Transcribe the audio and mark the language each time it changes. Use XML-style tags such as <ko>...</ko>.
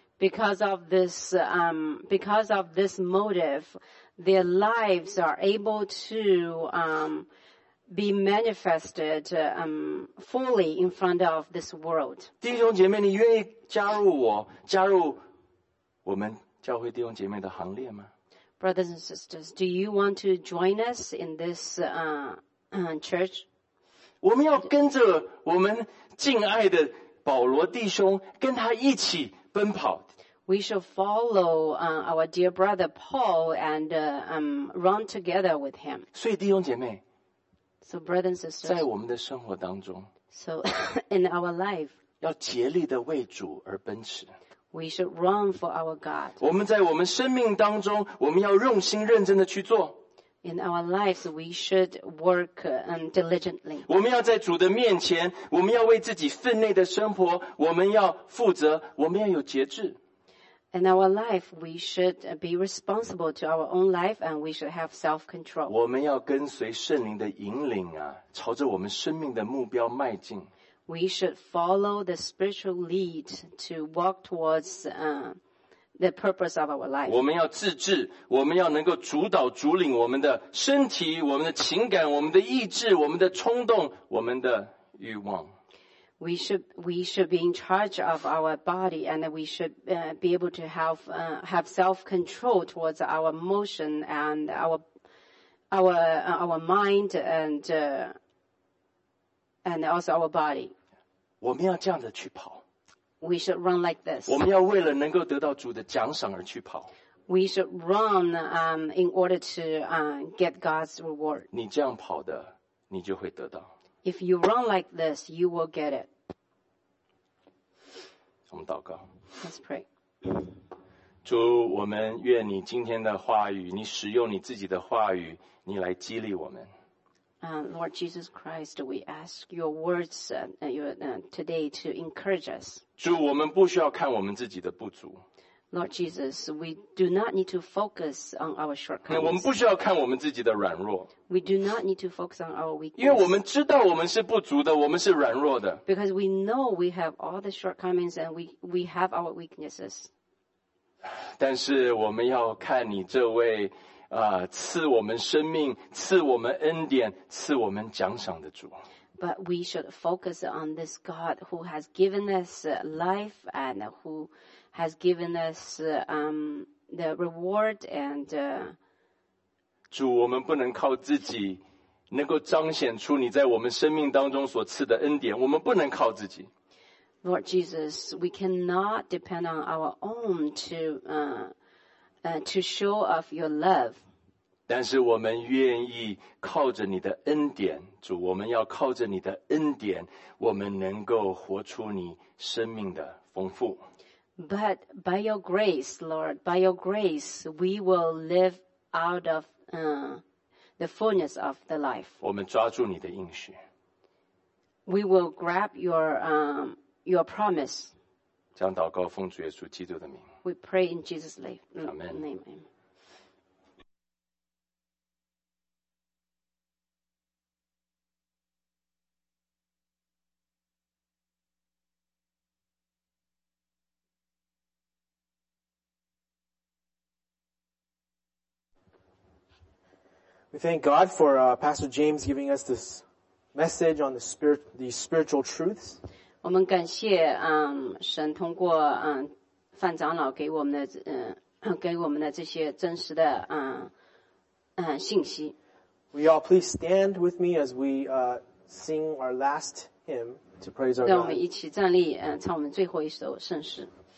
<en>Because of this motive, their lives are able to be manifested fully in front of this world.</en> <zh>弟兄姐妹，你愿意加入我，加入我们教会弟兄姐妹的行列吗？</zh> <en>Brothers and sisters, do you want to join us in this church?</en> <zh>我们要跟着我们敬爱的保罗弟兄，跟他一起奔跑。</zh> <en>We shall follow our dear brother Paul and run together with him.</en> <zh>所以弟兄姐妹,</zh> <en>so brothers and sisters,</en> <zh>在我们的生活当中,</zh> <en>so in our life,</en> <zh>要竭力地为主而奔驰。</zh> <en>We should run for our God.</en> <zh>我们在我们生命当中，我们要用心认真地去做。</zh> <en>In our lives, we should work diligently.</en> <zh>我们要在主的面前，我们要为自己分内的生活，我们要负责，我们要有节制。</zh> <en>In our life, we should be responsible to our own life, and we should have self-control.</en> <zh>我们要跟随圣灵的引领啊，朝着我们生命的目标迈进。</zh> <en>We should follow the spiritual lead to walk towards the purpose of our life.</en> <zh>我们要自制，我们要能够主导主领我们的身体，我们的情感，我们的意志，我们的冲动，我们的欲望。</zh> <en>We should be in charge of our body, and we should be able to have self-control towards our motion and our mind and also our body.</en> <zh>我们要这样的去跑。</zh> <en>We should run like this.</en> <zh>我们要为了能够得到主的奖赏而去跑。</zh> <en>We should run in order to get God's reward.</en> <zh>你这样跑的，你就会得到。</zh> <en>If you run like this, you will get it.</en> <zh>我们祷告。</zh> <en>Let's pray.</en> <zh>主，我们愿你今天的话语，你使用你自己的话语，你来激励我们。</zh> <en>Lord Jesus Christ, we ask your words today to encourage us.</en> <zh>主，我们不需要看我们自己的不足。</zh> <en>Lord Jesus, we do not need to focus on our shortcomings.</en> <zh>我们不需要看我们自己的软弱。</zh> <en>We do not need to focus on our weakness.</en> <zh>因为我们知道我们是不足的，我们是软弱的。</zh> <en>Because we know we have all the shortcomings and we have our weaknesses.</en> <zh>但是我们要看你这位赐我们生命，赐我们恩典，赐我们奖赏的主。</zh> <en>But we should focus on this God who has given us life and who has given us the reward and</en> <zh>主，我们不能靠自己能够彰显出你在我们生命当中所赐的恩典，我们不能靠自己。</zh> <en>Lord Jesus, we cannot depend on our own to show off your love.</en> <zh>但是我们愿意靠着你的恩典，主，我们要靠着你的恩典，我们能够活出你生命的丰富。</zh> <en>But by your grace, Lord, by your grace, we will live out of the fullness of the life.</en> <zh>我们抓住你的应许。</zh> <en>We will grab your promise.</en> <zh>这样祷告，奉主耶稣基督的名。</zh> <en>We pray in Jesus' name. Amen. Amen. We thank God for Pastor James giving us this message on these spiritual truths.</en> <zh>我们感谢神通过范长老给我们的这些真实的信息。</zh> <en>We all please stand with me as we sing our last hymn to praise our God.</en> <zh>让我们一起站立，唱我们最后一首圣诗。</zh>